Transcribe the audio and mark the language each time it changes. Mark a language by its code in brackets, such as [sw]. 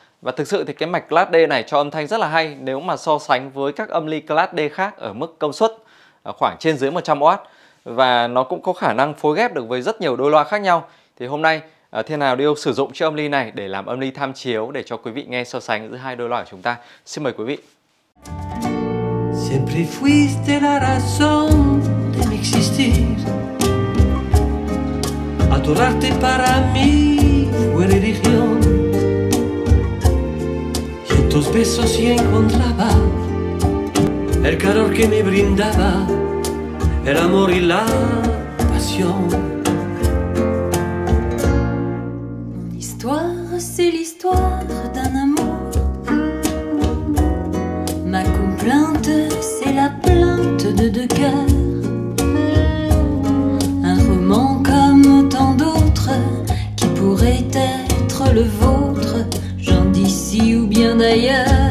[vi] Và thực sự thì cái mạch Class D này cho âm thanh rất là hay nếu mà so sánh với các âm ly Class D khác ở mức công suất khoảng trên dưới 100W. Và nó cũng có khả năng phối ghép được với rất nhiều đôi loa khác nhau. Thì hôm nay Thiên Hào Audio sử dụng chiếc âm ly này để làm âm ly tham chiếu để cho quý vị nghe so sánh giữa hai đôi loa của chúng ta. Xin mời quý vị. [es] Siempre fuiste la razón de mi existir. Adorarte para mí fue religión. Y en tus besos y encontraba el calor que me brindaba el amor y la pasión. [fr] Mon histoire, c'est l'histoire d'un amour. Ma complainte, c'est la plainte de deux cœurs. Un roman comme tant d'autres qui pourrait être le vôtre, j'en dis ici ou bien d'ailleurs.